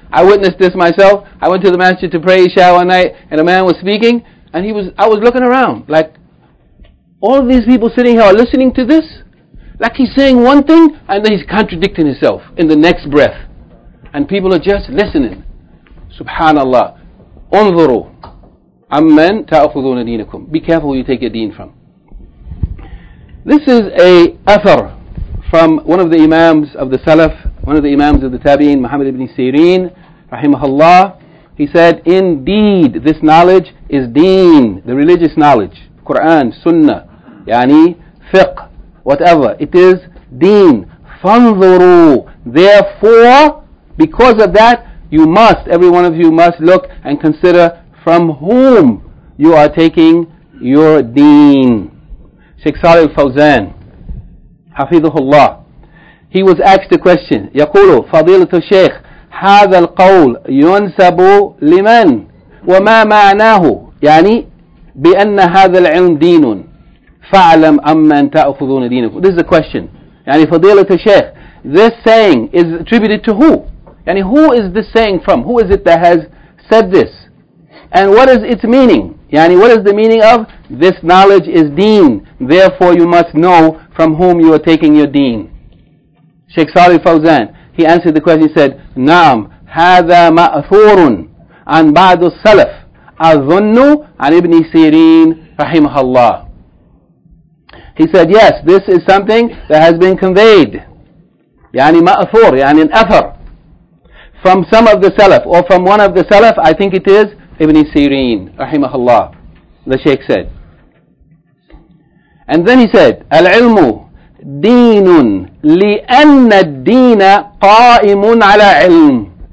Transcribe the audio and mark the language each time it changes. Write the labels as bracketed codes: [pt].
[en] I witnessed this myself. I went to the masjid to pray Isha one night, and a man was speaking, and I was looking around, like, all of these people sitting here are listening to this? Like he's saying one thing, and then he's contradicting himself in the next breath. And people are just listening. Subhanallah. [ar] انظروا أمن تأخذون دينكم. [en] Be careful who you take your deen from. This is a athar from one of the imams of the Salaf, one of the imams of the Tabi'in, Muhammad ibn Sirin, rahimahullah. He said, indeed, this knowledge is deen, the religious knowledge. Quran, Sunnah, yani, fiqh, whatever. It is deen. [ar] فانظروا. [en] Therefore, because of that, you must, every one of you must look and consider from whom you are taking your deen. Sheikh Salih al-Fawzan, Hafidhullah, he was asked a question. [ar] يقول فضيلة الشيخ هذا القول ينسب لمن وما معناه يعني بأن هذا العلم دين فعلم أمن تأخذون دينك. [en] This is the question. [ar] يعني فضيلة الشيخ, [en] this saying is attributed to who? يعني who is this saying from? Who is it that has said this? And what is its meaning? يعني what is the meaning of this knowledge is deen, therefore you must know from whom you are taking your deen. Sheikh Salih al-Fawzan, he answered the question, he said, [ar] نعم هذا مأثور عن بعض السلف أظن عن ابن سيرين رحمه الله. [en] He said, yes, this is something that has been conveyed. [ar] يعني مأثور, يعني an أثر. [en] From some of the Salaf, or from one of the Salaf, I think it is Ibn Sirin, rahimahullah, the Shaykh said. [ar] And then he said, Al-ilmu deenun li-anna deena qa'imun ala ilm.